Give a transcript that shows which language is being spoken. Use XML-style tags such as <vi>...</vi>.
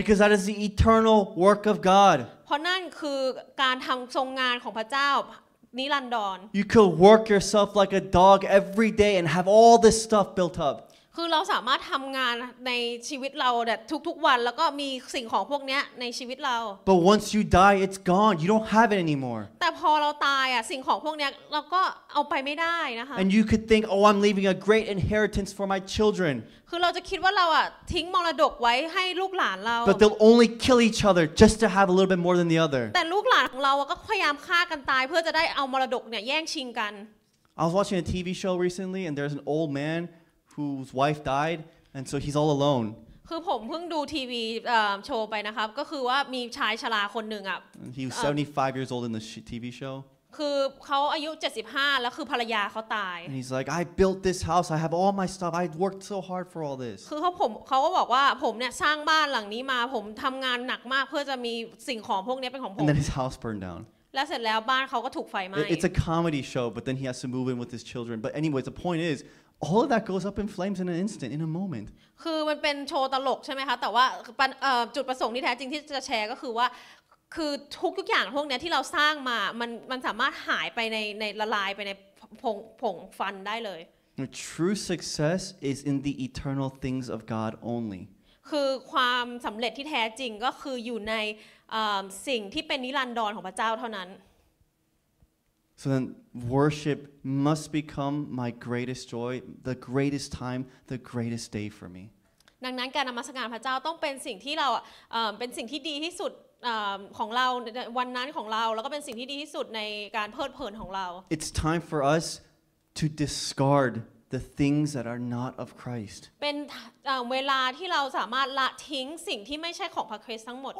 <en>Because that is the eternal work of God</en> <th>เพราะนั่นคือการทำทรงงานของพระเจ้านิรันดร</th> <en>You could work yourself like a dog every day and have all this stuff built up</en> <th>คือเราสามารถทำงานในชีวิตเราแบบทุกๆวันแล้วก็มีสิ่งของพวกนี้ในชีวิตเรา</th> <en>But once you die it's gone you don't have it anymore</en> <th>แต่พอเราตายอ่ะสิ่งของพวกนี้เราก็เอาไปไม่ได้นะคะ</th> <en>And you could think oh I'm leaving a great inheritance for my children</en> <th>คือเราจะคิดว่าเราอ่ะทิ้งมรดกไว้ให้ลูกหลานเรา</th> <en>But they'll only kill each other just to have a little bit more than the other</en> <th>แต่ลูกหลานของเราก็พยายามฆ่ากันตายเพื่อจะได้เอามรดกเนี่ยแย่งชิงกัน</th> <en>I was watching a TV show recently and there's an old manWhose wife died, and so he's all alone.</en> <th>คือผมเพิ่งดูทีวีโชว์ไปนะครับก็คือว่ามีชายชราคนหนึ่งอ่ะ</th> <en>He was 75 years old in the TV show.</en> <th>คือเขาอายุ75แล้วคือภรรยาเขาตาย</th> <en>And he's like, I built this house. I have all my stuff. I worked so hard for all this.</en> <th>คือเขาก็บอกว่าผมเนี่ยสร้างบ้านหลังนี้มาผมทำงานหนักมากเพื่อจะมีสิ่งของพวกนี้เป็นของผม</th> <en>And then his house burned down.</en> <th>แล้วเสร็จแล้วบ้านเขาก็ถูกไฟไหม</th> <en>It's a comedy show, but then he has to move in with his children. But anyways, the point is, all of that goes up in flames in an instant, in a moment.</en> <th>คือมันเป็นโชว์ตลกใช่ไหมคะแต่ว่าจุดประสงค์ที่แท้จริงที่จะแชร์ก็คือว่าคือทุกอย่างพวกนี้ที่เราสร้างมามันสามารถหายไปในละลายไปในผงฟันได้เลย</th> <en>True success is in the eternal things of God only.</en> <th>คือความสำเร็จที่แท้จริงก็คืออยู่ในสิ่งที่เป็นนิรันดรของพระเจ้าเท่านั้น</th> <en>So then worship must become my greatest joy, the greatest time, the greatest day for me.</en> <th>ดังนั้นการนมัสการพระเจ้าต้องเป็นสิ่งที่เราเป็นสิ่งที่ดีที่สุดของเราวันนั้นของเราแล้วก็เป็นสิ่งที่ดีที่สุดในการเพลิดเพลินของเรา</th> <en>It's time for us to discard the things that are not of Christ.</en> <th>เป็นเวลาที่เราสามารถละทิ้งสิ่งที่ไม่ใช่ของพระคริสต์ทั้งหมด</th>